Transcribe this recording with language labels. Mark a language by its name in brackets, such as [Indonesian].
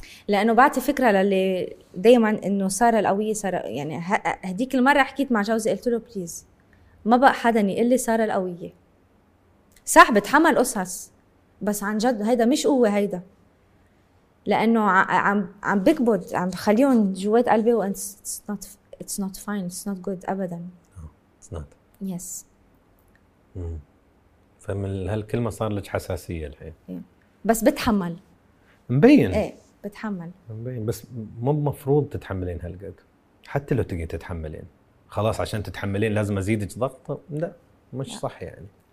[Arabic] لانه بعطي فكرة للي دايما انه سارة القوية سارة. يعني هديك المرة حكيت مع جوزي قلت له بليز ما بقى حدا يقول لي سارة القوية. صح بتحمل قصص بس عن جد هيدا مش قوة، هيدا لأنه عم بكبد، عم بخليهم جوات قلبي. وانت [English] it's not fine, it's not good [Arabic] أبدا. [English] It's not. Yes. [Arabic] فمن هالكلمة صار لك حساسية الحين. بس بتحمل. مبين. إيه بتحمل. مبين بس مو مفروض تتحملين هالقد. حتى لو تجي تتحملين خلاص عشان تتحملين لازم أزيدك ضغط، لا مش صح يعني.